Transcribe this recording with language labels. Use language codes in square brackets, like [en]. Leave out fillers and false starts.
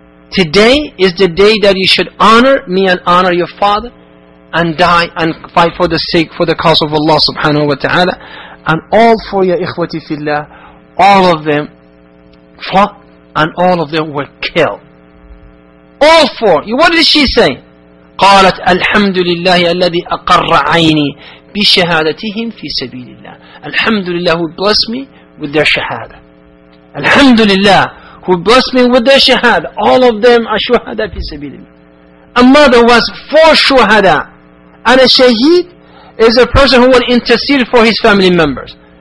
[en] Today is the day that you should honor me and honor your father, and die and fight for the sake, for the cause of Allah subhanahu wa ta'ala. And all for your ikhwati fillah, all of them fought and all of them were killed. All four. What did she say? [ar] قالت الحمد لله الذي أقر عيني بشهادتهم في سبيل الله. الحمد لله [en] who blessed me with their shahada. الحمد لله who blessed me with their shahada. All of them are shuhada [ar] في سبيل الله. [en] A mother was for shuhada. And a shaheed is a person who will intercede for his family members.